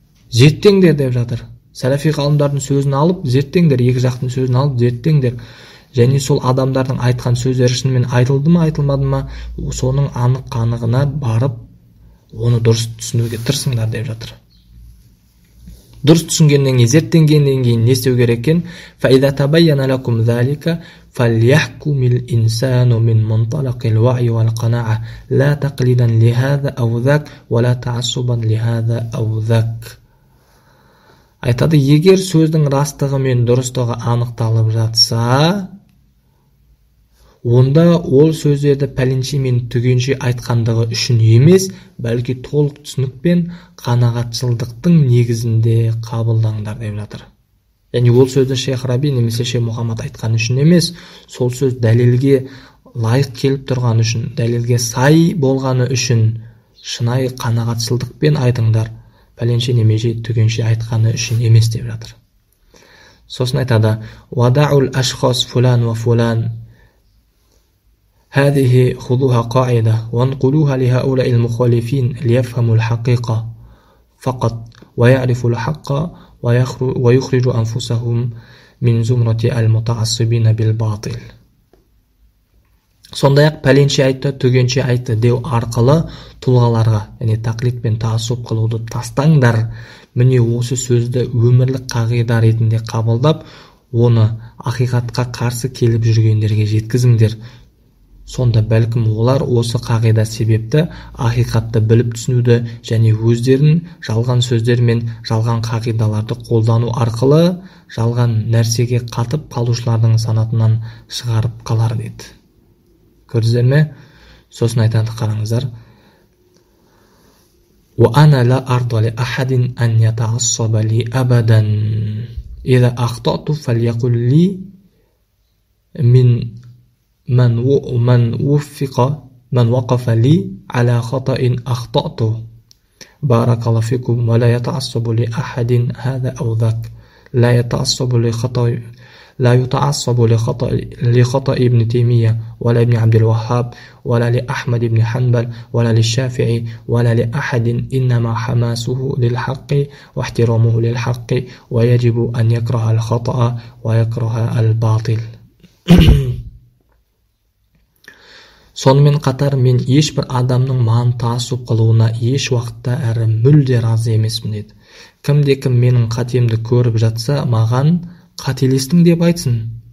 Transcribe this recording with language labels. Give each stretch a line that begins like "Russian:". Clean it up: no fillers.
Kazakh: Зерттеңдер деп жатыр. Сәләфи ғалымдардың сөзін алып, зерттеңдер, екі жақтың сөзін алып, зерттеңдер. Және сол адамдардың айтқан сөздері шынымен айтылды ма, айтылмады ма, соның анық-қанығына барып, оны дұрыс түсінуге тырысыңдар деп жатыр. Дұрыс түсінгеннен кейін, зерттенгеннен кейін не істеу керек екен?
Arabic: فإذا تبين لكم ذلك فليحكم الإنسان من منطلق الوعي والقناعة لا تقليدا لهذا أو ذاك ولا تعصبا لهذا أو ذاك.
Kazakh: Айтады, егер сөздің растығы мен дұрыстығы анықталып жатса, онда ол сөздерді пәленше мен түгенше айтқандығы үшін емес, бәлкі толық түсінік пен қанағатшылдықтың негізінде қабылдаңдар деп жатыр. Яғни ол сөзді Шейх Раби немесе Шейх Мұхаммад айтқан үшін емес, сол сөз дәлелге лайық келіп тұрған үшін, дәлелге сай болғаны үшін шынайы қанағатшылдықпен айтыңдар, пәленше немесе түгенше айтқаны үшін емес деп жатыр. Сосын айтады:
Arabic: "Вадаул ашхас фулан ва фулан" هذه خذوها قاعدة وانقلوها لهؤلاء المخالفين ليفهموا الحقيقة فقط ويعرفوا الحق ويخرجوا أنفسهم من زمرة المتعصبين بالباطل.
Kazakh: Сонда яқ пәленше айтты, түгенше айтты деу арқылы тұлғаларға, яғни тақлид пен таасуп қылуды тастаңдар, міне осы сөзді өмірлік қағида ретінде қабылдап, оны ақиқатқа қарсы келіп жүргендерге жеткізіңдер. Сонда бәлкім олар осы қағида себепті ақиқатты біліп түсінуді және өздерін жалған сөздер мен жалған қағидаларды қолдану арқылы жалған нәрсеге қатып қалушылардың санатынан шығарып қалар дейді. Көрдіңіздер ме? Сосын айтады қараңыздар.
Arabic: وَأَنَا لَا أَرْضَ لِأَحَدٍ أَنْ يَتَعَصَّبَ لِي أَبَدًا إِذَا أَخْطَأْتُ فَلْيَقُلْ لِي مِنْ من وفق من وقف لي على خطأ أخطأته بارك الله فيكم ولا يتعصب لأحد هذا أو ذاك لا يتعصب لخطأ لا يتعصب لخطأ ابن تيمية ولا ابن عبد الوهاب ولا لأحمد ابن حنبل ولا للشافعي ولا لأحد إنما حماسه للحق واحترامه للحق ويجب أن يكره الخطأ ويكره الباطل
Kazakh: Сонымен қатар мен ешбір адамның маған таасып қылуына еш уақытта әрі мүлде разы емеспін деді. Кімде кім менің қатемді көріп жатса, маған қателестің деп айтсын.